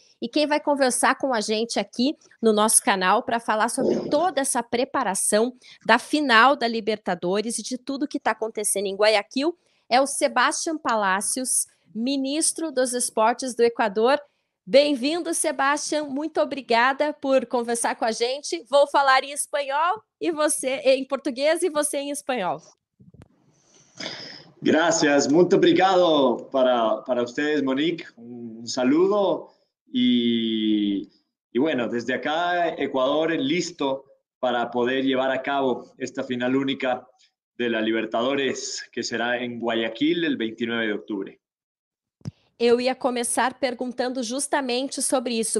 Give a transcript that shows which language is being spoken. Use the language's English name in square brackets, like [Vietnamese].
[Portuguese] E quem vai conversar com a gente aqui no nosso canal para falar sobre toda essa preparação da final da Libertadores e de tudo que está acontecendo em Guayaquil é o Sebastián Palacios, ministro dos Esportes do Equador. Bem-vindo, Sebastián. Muito obrigada por conversar com a gente. Vou falar em espanhol e você em português e você em espanhol. [Spanish] Gracias, [Portuguese] muito obrigado para vocês, Monique. [Spanish] Um saludo y bueno, desde acá, Ecuador, listo para poder llevar a cabo esta final única de la Libertadores, que será en Guayaquil el 29 de octubre. [Portuguese] Eu ia começar perguntando justamente sobre isso.